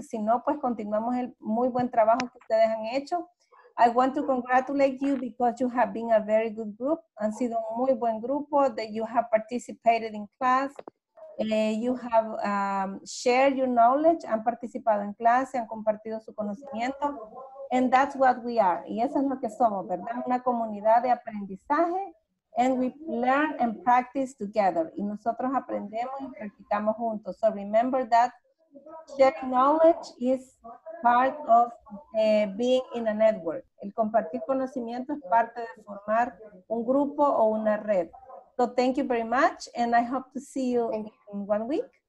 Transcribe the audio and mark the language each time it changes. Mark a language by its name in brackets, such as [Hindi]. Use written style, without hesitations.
[Spanish] Si no, pues continuamos el muy buen trabajo que ustedes han hecho. [English] I want to congratulate you because you have been a very good group. [Spanish] Han sido un muy buen grupo. [English] That you have participated in class. You have shared your knowledge, [Spanish] han participado en clase, han compartido su conocimiento, [English] and that's what we are. [Spanish] Y eso es lo que somos, ¿verdad? Una comunidad de aprendizaje, [English] and we learn and practice together. [Spanish] Y nosotros aprendemos y practicamos juntos. [English] So remember that sharing knowledge is part of being in a network. [Spanish] El compartir conocimiento es parte de formar un grupo o una red. [English] So thank you very much, and I hope to see you in 1 week.